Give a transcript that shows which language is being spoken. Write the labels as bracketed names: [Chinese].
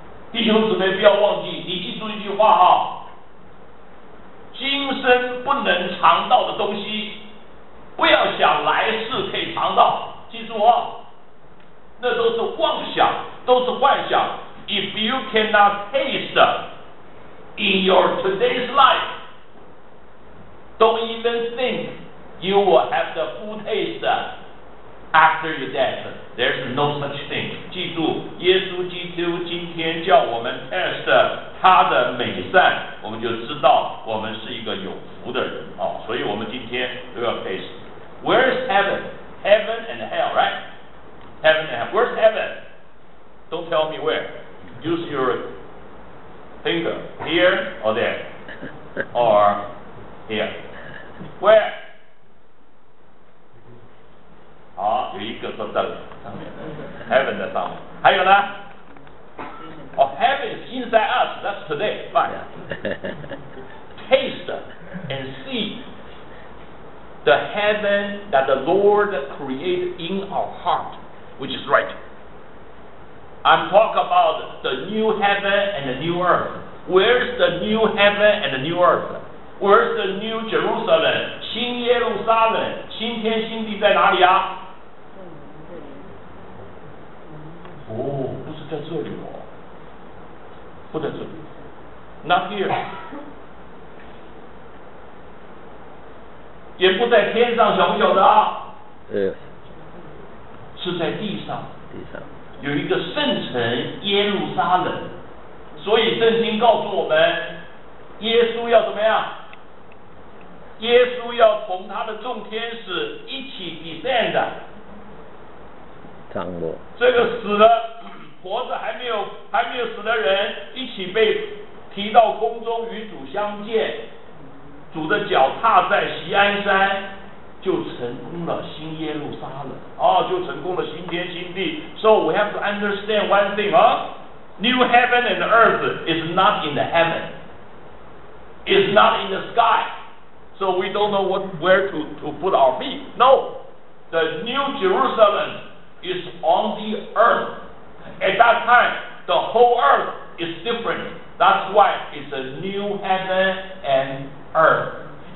[Chinese] 弟兄姊妹，不要忘记，你记住一句话哈，今生不能尝到的东西，不要想来世可以尝到，记住哦，那都是妄想，都是幻想。 [English] If you cannot taste in your today's life, don't even think you will have the full taste after your death. There's no such thing. [Chinese] 记住，耶稣基督今天叫我们 test 他的美善，我们就知道我们是一个有福的人啊、哦。所以我们今天都要 [English] taste。Where is heaven? Heaven and hell, right? Heaven and hell. Where's heaven? Don't tell me where. Use your finger. Here or there? Or here? Where? [Chinese] 好，有一个在这里。Heaven 在上面。还有呢？ [English] Oh, heaven is inside us. That's today. Fine. Taste and see. The heaven that the Lord created in our heart, which is right. I'm talking about the new heaven and the new earth. Where's the new heaven and the new earth? Where's the new Jerusalem? [Chinese] 新耶路撒冷，新天新地在哪里啊？哦，不是在这里哦，不在这里， [English] not here. [Chinese] 也不在天上，晓不晓得啊？对，是在地上。地上有一个圣城耶路撒冷，所以圣经告诉我们，耶稣要怎么样？耶稣要同他的众天使一起 descend。掌握这个死的、活着还没有死的人，一起被提到空中与主相见。主的脚踏在锡安山，就成功了新耶路撒冷，哦，就成功了新天新地。 [English] So we have to understand one thing, huh? New heaven and earth is not in the heaven, it's not in the sky, so we don't know what, where to put our feet. No, the New Jerusalem is on the earth. At that time, the whole earth is different. That's why it's a new heaven and earth.